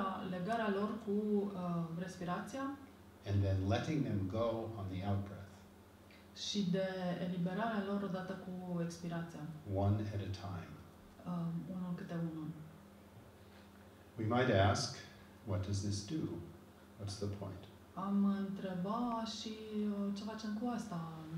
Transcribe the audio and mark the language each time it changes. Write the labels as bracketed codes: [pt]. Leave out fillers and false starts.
[ro] Legarea lor cu respirația. [en] And then letting them go on the out-breath. [ro] Și de eliberarea lor odată cu expirația. [en] One at a time. [ro] Unul câte unul. [en] We might ask, what does this do? What's the point? [ro] Am întrebat și ce facem cu asta?